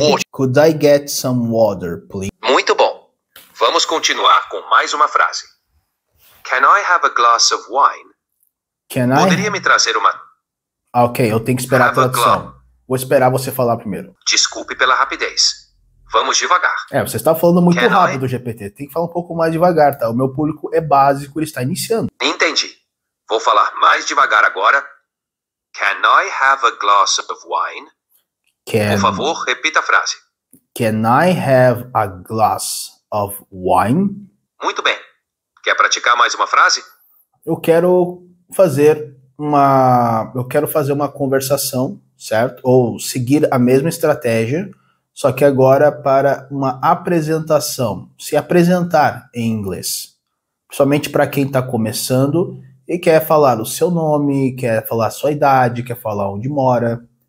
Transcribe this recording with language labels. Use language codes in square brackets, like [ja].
[en] Could I get some water, please? [pt] Muito bom. Vamos continuar com mais uma frase. [en] Can I have a glass of wine? [pt] Poderia me trazer uma... Ok, eu tenho que esperar a tradução. Vou esperar você falar primeiro. Desculpe pela rapidez. Vamos devagar. Você está falando muito rápido, GPT. Tem que falar um pouco mais devagar, tá? O meu público é básico, ele está iniciando. Entendi. Vou falar mais devagar agora. [en] Can I have a glass of wine? [pt] Por favor, repita a frase. [en] Can I have a glass of wine? [pt] Muito bem. Quer praticar mais uma frase? Eu quero fazer uma conversação, certo? Ou seguir a mesma estratégia, só que agora para uma apresentação, se apresentar em inglês, principalmente para quem está começando e quer falar o seu nome, quer falar a sua idade, quer falar onde mora.